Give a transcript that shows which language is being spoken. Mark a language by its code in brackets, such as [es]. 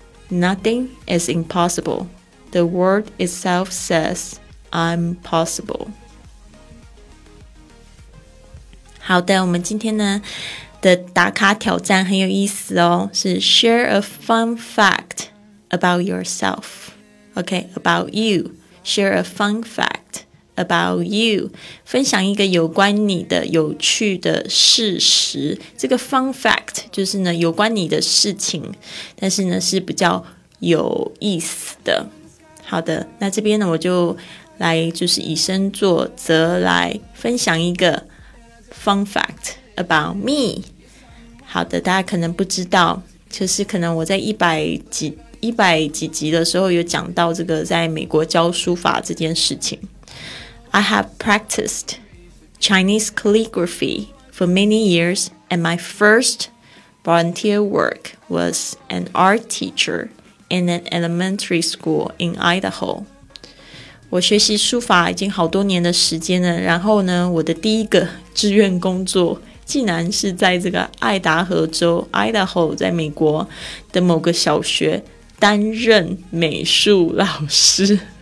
[en] Nothing is impossible, the world itself says I'm possible。 [zh] 好的，我们今天呢的打卡挑战很有意思哦，是 [en] share a fun fact about yourself. OK, about you. Share a fun fact about you. [zh] 分享一个有关你的有趣的事实。这个 fun fact 就是呢有关你的事情，但是呢是比较有意思的。好的，那这边呢我就来就是以身作则来分享一个 [en] Fun fact about me. [zh] 好的，大家可能不知道，就是可能我在一百几集的时候有讲到这个在美国教书法这件事情。 [en] I have practiced Chinese calligraphy for many years and my first volunteer work was an art teacher in an elementary school in Idaho. [zh] 我学习书法已经好多年的时间了，然后呢，我的第一个志愿工作竟然是在这个爱达荷州 Idaho 在美国的某个小学担任美术老师。